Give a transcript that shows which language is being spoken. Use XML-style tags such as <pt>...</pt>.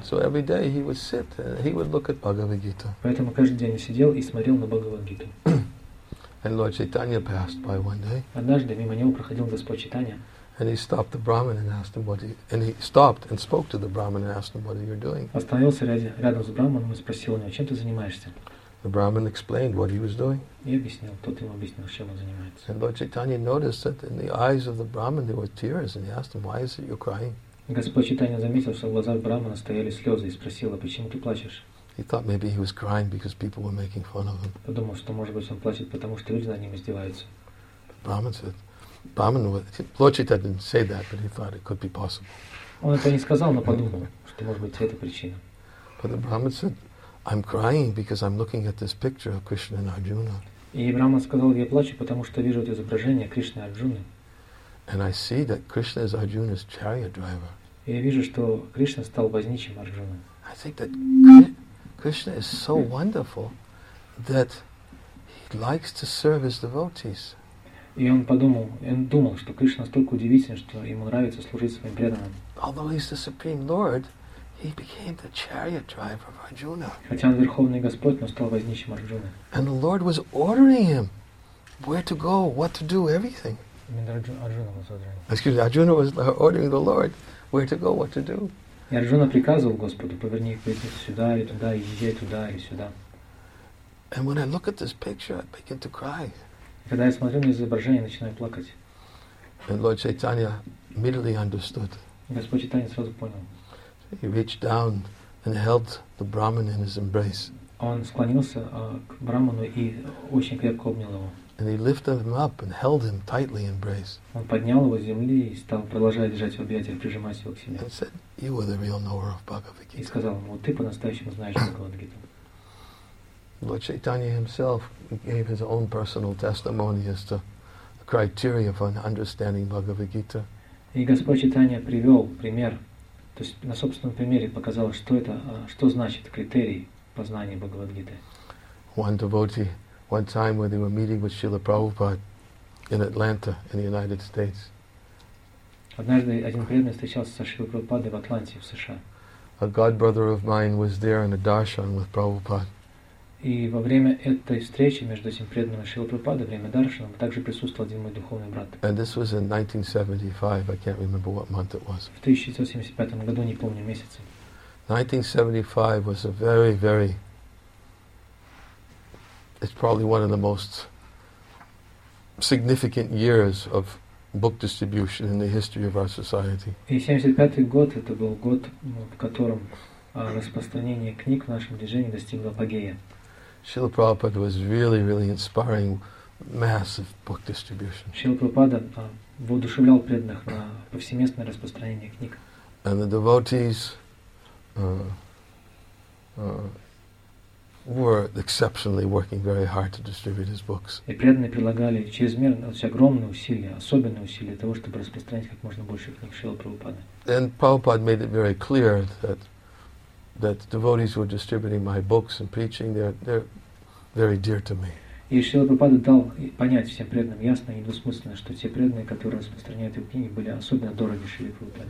<en>So every day he would sit and he would look at Bhagavad Gita.</en> <ru>Поэтому каждый день он сидел и смотрел на Бхагавад Гиту.</ru> <en>And Lord Chaitanya passed by one day.</en> <ru>Однажды мимо него проходил Господь Чайтанья.</ru> <en>And he stopped the Brahmin and asked him what he. And he stopped and spoke to the Brahmin and asked him what are you doing.</en> <ru>Остановился рядом с Брахманом и спросил у него, чем ты занимаешься.</ru> <en>The Brahmin explained what he was doing.</en> <ru>И объяснил, тот ему объяснил, чем он занимается.</ru> <en>And Lord Chaitanya noticed that in the eyes of the Brahmin there were tears, and he asked him, why is it you're crying?</en> <ru>Господь Чайтанья заметил, что в глазах Брахмана стояли слезы, и спросил, а почему ты плачешь?</ru> <en>He thought maybe he was crying because people were making fun of him.</en> <ru>Подумал, что может быть он плачет, потому что люди над ним издеваются.</ru> <en>Brahmin said. Brahman, Lord Chaitanya didn't say that, but he thought it could be possible.</en> <ru>Он это не сказал, но подумал, что может быть это причина.</ru> <en>But the Brahman said, "I'm crying because I'm looking at this picture of Krishna and Arjuna."</en> <ru>И Брахман сказал, я плачу, потому что вижу это изображение Кришны и Арджуны.</ru> <en>And I see that Krishna is Arjuna's chariot driver.</en> <ru>И я вижу, что Кришна стал возничим Арджуны.</ru> <en>I think that Krishna is so wonderful that he likes to serve his devotees.</en> <ru>И он подумал, он думал, что Кришна настолько удивителен, что ему нравится служить своим преданным.</ru> <en>Although he's the Supreme Lord, he became the chariot driver of Arjuna.</en> <ru>Хотя он верховный господь, но стал возничим Арджуны.</ru> <en>And the Lord was ordering him where to go, what to do, everything. Arjuna was ordering the Lord where to go, what to do.</en> <ru>И Арджуна приказывал Господу, поверни их сюда и туда, и езжай туда и сюда.</ru> <en>And when I look at this picture, I begin to cry.</en> <ru>Когда я смотрю на изображение, начинаю плакать.</ru> <en>And Lord Chaitanya immediately understood.</en> <ru>Господь Чайтанья сразу понял.</ru> <en>He reached down and held the Brahmin in his embrace.</en> <ru>Он склонился к Брахману и очень крепко обнял его.</ru> <en>And he lifted him up and held him tightly in embrace.</en> <ru>Он поднял его с земли и стал продолжать держать в объятиях, прижимать его к себе.</ru> <en>And said, "You are the real knower of Bhagavad Gita."</en> <ru>И сказал ему, вот ты по-настоящему знаешь Бхагавад Гиту.</ru> <en>Lord Chaitanya himself gave his own personal testimony as to the criteria for understanding Bhagavad Gita.</en> <ru>И Господь Чайтанья привел пример, то есть на собственном примере показал, что это, что значит критерий познания Бхагавад Гиты.</ru> <en>One devotee, one time when they were meeting with Srila Prabhupada in Atlanta, in the United States.</en> <ru>Однажды один преданный встречался со Шрилой Прабхупадой в Атланте, в США.</ru> <en>A god brother of mine was there in a darshan with Prabhupada.</en> <ru>И во время этой встречи между этим преданным Шрила Прабхупадой, время даршана, также присутствовал один мой духовный брат.</ru> <en>And this was in 1975. I can't remember what month it was.</en> <ru>В 1975 году, не помню месяц.</ru> <en>1975 was a very, very. It's probably one of the most significant years of book distribution in the history of our society.</en> <ru>И 75 год это был год, в котором распространение книг в нашем движении достигло апогея.</ru> <en>Srila Prabhupada was really, really inspiring, massive book distribution.</en> <ru>Srila Prabhupada воодушевлял преданных на повсеместное распространение книг.</ru> <en>And the devotees were exceptionally working very hard to distribute his books.</en> <ru>И преданные прилагали чрезмерно, огромные усилия, особенные усилия того, чтобы распространить как можно больше книг Шрилы Прабхупады.</ru> <en>And Prabhupada made it very clear that devotees who are distributing my books and preaching, they're very dear to me.</en> <ru>И Шрила Прабхупада дал понять всем преданным ясно и недвусмысленно, что те преданные, которые распространяют его книги, были особенно дороги Шриле Прабхупаде.</ru>